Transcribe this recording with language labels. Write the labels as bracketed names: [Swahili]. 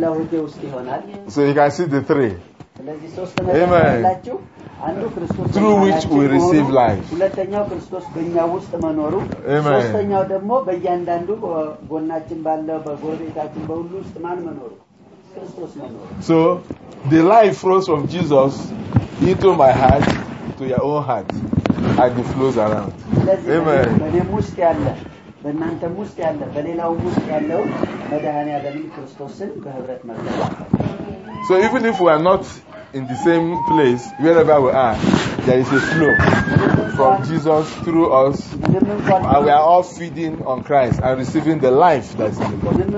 [English] So you can see the three. Amen. Through which we receive life. [Amharic] ሁለተኛው ክርስቶስ በእኛ ውስጥ መኖሩ ሶስተኛው ደግሞ በእያንዳንዱ ጎናችን ባለው በጎረቤታችን በሁሉ ውስጥ ማን መኖሩ ክርስቶስ መኖሩ [English] So the life flows from Jesus into my heart to your own heart and it flows around. Amen. [Amharic] በእኔም ውስጥ ያለ በእናንተም ውስጥ ያለ በሌላው ውስጥ ያለው መድኃኒዓለም ክርስቶስን በህብረት መግለጥ [English] So even if we are not in the same place wherever we are there is a flow from Jesus through us and we are all feeding on Christ and receiving the life that is in him